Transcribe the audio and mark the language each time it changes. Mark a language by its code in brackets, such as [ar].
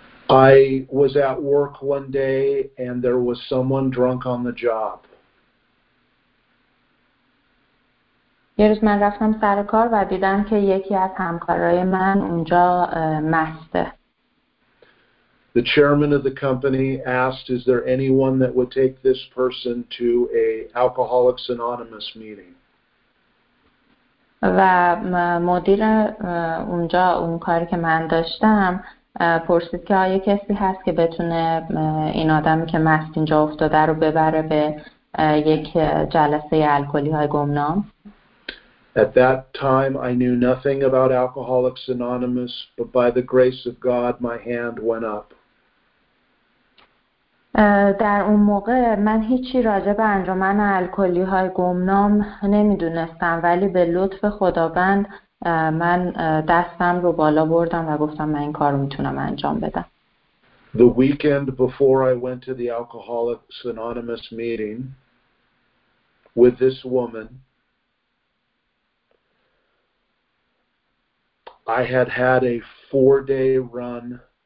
[en] I was at work one day and there was someone drunk on the job. [fa] یه روز من رفتم سر کار و دیدم که یکی از همکارای من اونجا مسته. [en] The chairman of the company asked, "Is there anyone that would take this person to a Alcoholics Anonymous meeting?" [fa] و مدیر اونجا اون کاری که من داشتم پرسید که آیا کسی هست که بتونه این آدمی که مست اینجا افتاده رو ببره به یک جلسه الکلی های گمنام. [en] At that time, I knew nothing about Alcoholics Anonymous, but by the grace of God, my hand went up. [fa] در اون موقع من هیچی راجع به انجمن الکلی های گمنام نمیدونستم ولی به لطف خداوند من دستم رو بالا بردم و گفتم من این کار رو میتونم انجام بدم. [en] The weekend before I went to the Alcoholics Anonymous meeting with this woman, I had had a 4-day run.